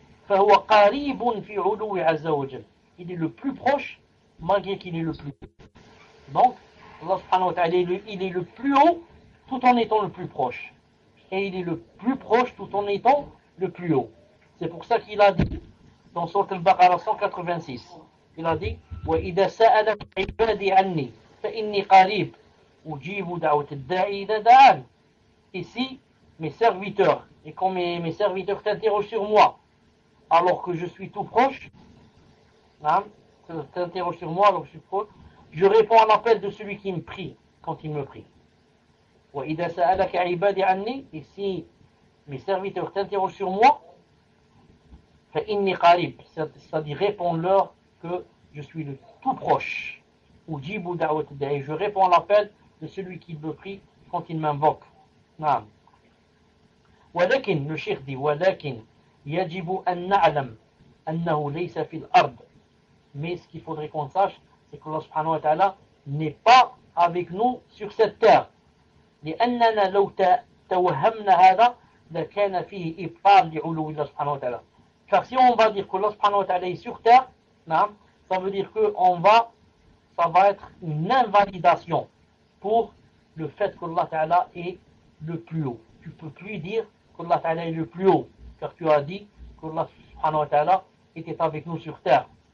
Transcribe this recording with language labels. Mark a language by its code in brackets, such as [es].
[fr] Il est le plus proche malgré qu'il est le plus haut. Donc Allah subhanahu wa ta'ala il est le plus haut tout en étant le plus proche. Et il est le plus proche tout en étant le plus haut. C'est pour ça qu'il a dit dans Sourate Al-Baqarah 186, il a dit [ar] وإذا سألك عبادي عني فإني قريب أجيب دعوة الداعي إذا دعان. [fr] Ici, mes serviteurs, et quand mes serviteurs t'interrogent sur moi, alors que je suis tout proche, hein, t'interrogent sur moi, alors que je suis proche, je réponds à l'appel de celui qui me prie, quand il me prie. [ar] وَإِذَا سَأَلَكَ عِبَادِ عَنِّي [fr] et si mes serviteurs t'interrogent sur moi, [ar] فَإِنِّي قَرِيبٌ [fr] c'est-à-dire réponds-leur que je suis le tout proche. [ar] أُجِيبُ دَعْوَةَ الدَّاعِي [fr] je réponds à l'appel de celui qui me prie quand il m'invoque. نعم. [ar] ولكن الشيخ دي ولكن يجب أن نعلم أنه ليس في الأرض. [fr] Mais ce qu'il faudrait qu'on sache, c'est que Allah subhanahu wa ta'ala n'est pas avec nous sur cette terre. [ar] لأننا لو توهمنا هذا لكان فيه إبطال لعلو الله سبحانه وتعالى. [fr] Car si on va dire que Allah subhanahu wa ta'ala est sur terre, نعم, ça veut dire que ça va être une invalidation pour le fait que Allah ta'ala est le plus haut. Tu ne peux plus dire qu'Allah Ta'ala est le plus haut, car tu as dit qu'Allah subhanahu wa ta'ala était avec nous sur terre.